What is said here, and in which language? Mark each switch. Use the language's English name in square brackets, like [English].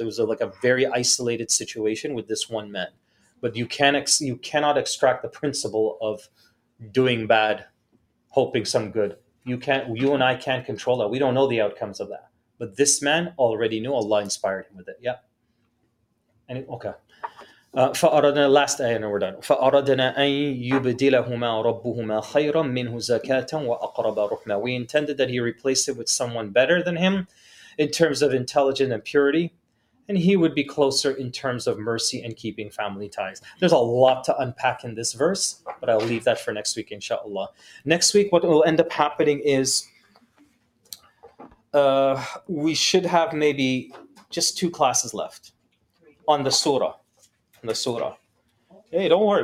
[English] It was like a very isolated situation with this one man. But you cannot extract the principle of doing bad, hoping some good. You and I can't control that. We don't know the outcomes of that. But this man already knew. Allah inspired him with it. Yeah. فأردنا last ayah and we're done. [Arabic] فأردنا أن يبدلهما ربهما خيرا منه زكاة وأقرب رحما. [English] We intended that he replace it with someone better than him in terms of intelligence and purity, and he would be closer in terms of mercy and keeping family ties. There's a lot to unpack in this verse, but I'll leave that for next week, inshallah. Next week, what will end up happening is we should have maybe just two classes left on the surah. The surah. Hey, don't worry.